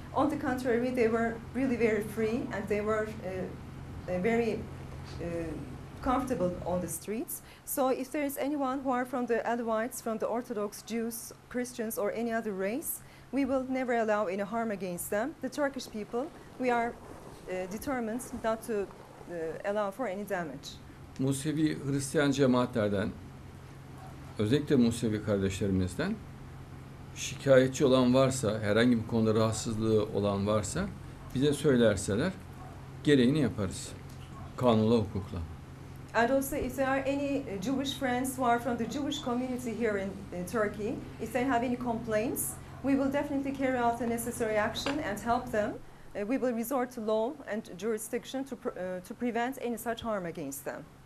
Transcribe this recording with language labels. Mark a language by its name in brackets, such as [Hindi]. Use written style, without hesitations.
[English] On the contrary, they were really very free and they were very comfortable on the streets. So if there is anyone who are from the Alevites, from the Orthodox Jews, Christians or any other race, we will never allow any harm against them. The Turkish people, we are determined not to allow for any damage. [Turkish] Musevi Hristiyan cemaatlerden, özellikle Musevi kardeşlerimizden şikayetçi olan varsa, herhangi bir konuda rahatsızlığı olan varsa bize söylerseler gereğini yaparız. Kanunla, hukukla. [English] And also, if there are any Jewish friends who are from the Jewish community here in Turkey, if they have any complaints, we will definitely carry out the necessary action and help them. We will resort to law and jurisdiction to prevent any such harm against them.